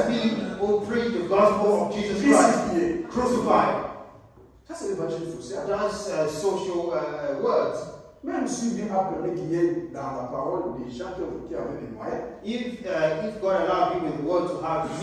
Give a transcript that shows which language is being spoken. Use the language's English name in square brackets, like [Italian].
[English] We speak or preach the gospel of Jesus Christ. Crucified. [French] Ça c'est l'évangile social. [English] That's social words. [French] Même si Dieu a permis qu'il y ait dans la parole des gens qui avaient des moyens. [English] If God allowed you with the word to have